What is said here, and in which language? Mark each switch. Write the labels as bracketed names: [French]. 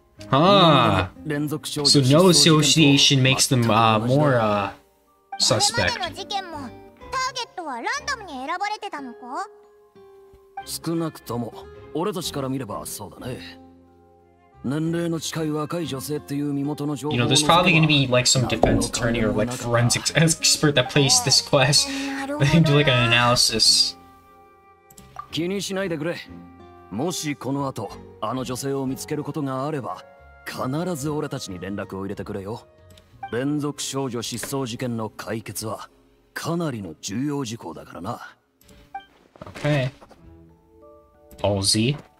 [English] Huh. So no association makes them more Suspect. [Japanese] これまでの事件もターゲットはランダムに選ばれてたのか？少なくとも俺たちから見ればそうだね。年齢の近い若い女性っていう身元の情報。 [English] You know, there's probably going to be like some defense attorney or like forensics expert that plays this quest. They do like an analysis. [Japanese] 気にしないでくれ。もしこの後あの女性を見つけることがあれば、必ず俺たちに連絡を入れてくれよ。連続少女失踪事件の解決はかなりの重要事項だからな。 [English] Okay. All Z.